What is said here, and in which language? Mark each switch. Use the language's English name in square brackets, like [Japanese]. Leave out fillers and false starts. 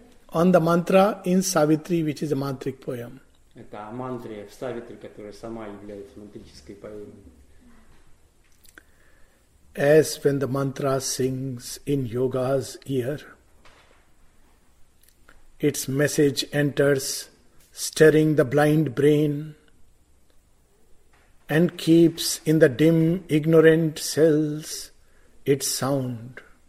[English] On the mantra in Savitri, which is a mantric poem. [Russian] Это о мантре в Савитри, которая сама является мантрической поэмой. [English] As when the mantra sings in yoga's ear, its message enters, stirring the blind brain and keeps in the dim, ignorant cells its sound.